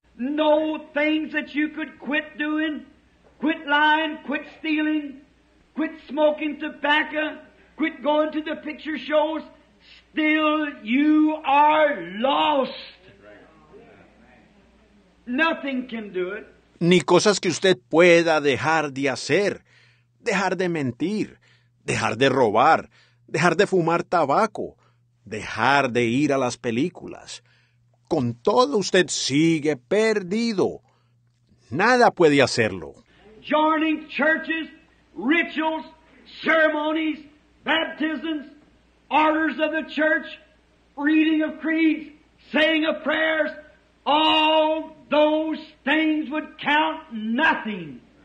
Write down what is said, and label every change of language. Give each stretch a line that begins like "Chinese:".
English: No things that you could quit doing, quit lying, quit stealing, quit smoking tobacco, quit going to the picture shows, still you are lost. Nothing can do it.
Spanish: Ni cosas que usted pueda dejar de hacer. Dejar de mentir, dejar de robar, dejar de fumar tabaco, dejar de ir a las películas. Con todo usted sigue perdido. Nada puede hacerlo.
English: Joining churches, rituals, ceremonies, baptisms, orders of the church, reading of creeds, saying of prayers, all those things would count nothing.